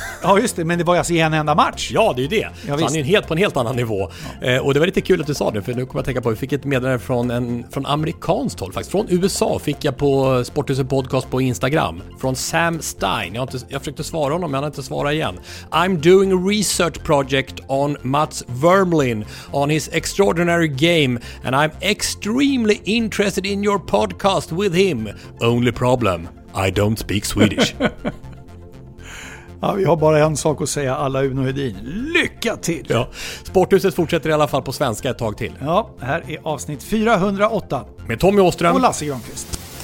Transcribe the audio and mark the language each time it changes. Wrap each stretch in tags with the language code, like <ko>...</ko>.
<sv>Ja, just det, men det var alltså en enda match. Ja, det är ju det. Ja, så han är ju helt på en helt annan nivå. Ja. Och det var lite kul att du sa det, för nu kommer jag tänka på, vi fick ett meddelande från amerikanskt håll faktiskt. Från USA fick jag på Sporthuset podcast på Instagram. Från Sam Stein. Jag försökte svara honom, men han har inte svarat igen.</sv> <en>I'm doing a research project on Mats Wermelin, on his extraordinary game, and I'm extremely interested in your podcast with him. Only problem, I don't speak Swedish.</en> <sv>Ja, vi har bara en sak att säga, alla Uno Hedin, lycka till. Ja, Sporthuset fortsätter i alla fall på svenska ett tag till. Ja, här är avsnitt 408 med Tommy Åström och Lasse Granqvist.</sv>